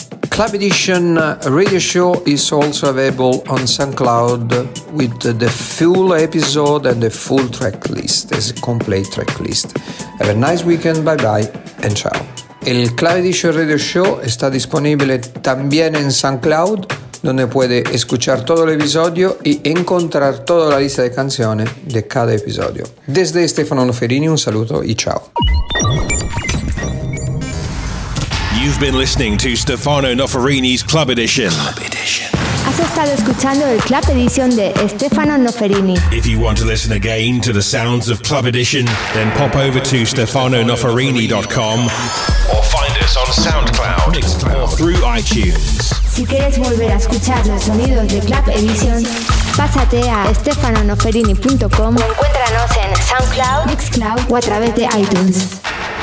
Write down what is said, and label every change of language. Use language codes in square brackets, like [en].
[en] Club Edition radio show is also available on SoundCloud with the full episode and the full track list as a complete track list. Have a nice weekend, bye bye and ciao. [es] El Club Edition radio show está disponible también en SoundCloud, donde puede escuchar todo el episodio y encontrar toda la lista de canciones de cada episodio. Desde Stefano Noferini, [it] un saluto [es] y ciao. [en] You've been listening to Stefano Noferini's Club Edition. [es] Club Edition. Has estado escuchando el Club Edition de Stefano Noferini. [en] If you want to listen again to the sounds of Club Edition, then pop over to StefanoNoferini.com or find us on SoundCloud or through iTunes. [es] Si quieres volver a escuchar los sonidos de Club Edition, pásate a StefanoNoferini.com o encuéntranos en SoundCloud, Mixcloud o a través de iTunes.